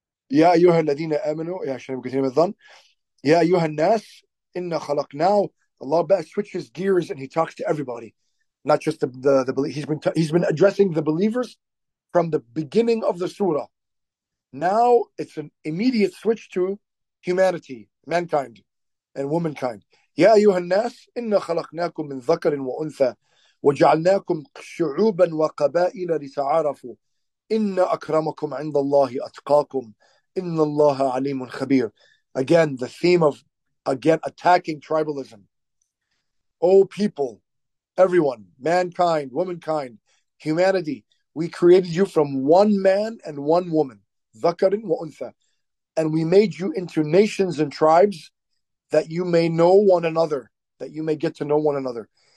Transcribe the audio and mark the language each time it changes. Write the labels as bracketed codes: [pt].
[ar] يا أيها الذين آمنوا يا عشان كثير من الظن يا أيها الناس إنا خلقناه. [en] Allah switches gears and he talks to everybody, not just the he's been addressing the believers from the beginning of the surah. Now it's an immediate switch to humanity, mankind, and womankind. [ar] يا أيها الناس إنا خلقناكم من ذكر وأنثى وجعلناكم شعوبا وقبائل لتعارفوا إن أكرمكم عند الله أتقاكم إن الله عليم خبير. [en] Again, the theme of again attacking tribalism. Oh people, everyone, mankind, womankind, humanity, we created you from one man and one woman, [ar] ذكرٍ وأنثى, [en] and we made you into nations and tribes that you may know one another, that you may get to know one another.